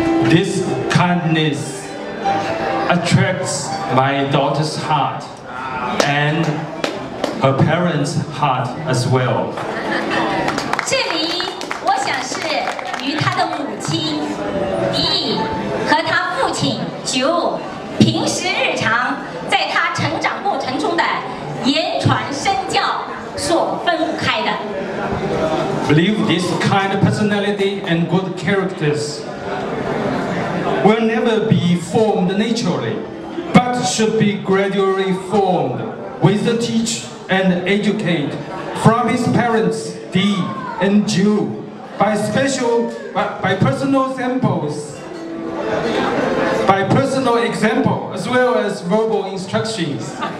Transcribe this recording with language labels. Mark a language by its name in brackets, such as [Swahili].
[English] This kindness attracts my daughter's heart and her parents' heart as well. [Chinese] 这里我想是与她的母亲迪和她父亲九平时日常在她成长过程中的言传身教所分不开的。 [English] Believe this kind of personality and good characters will never be formed naturally, but should be gradually formed with the teach and educate from his parents, D and Jew, by personal example, as well as verbal instructions.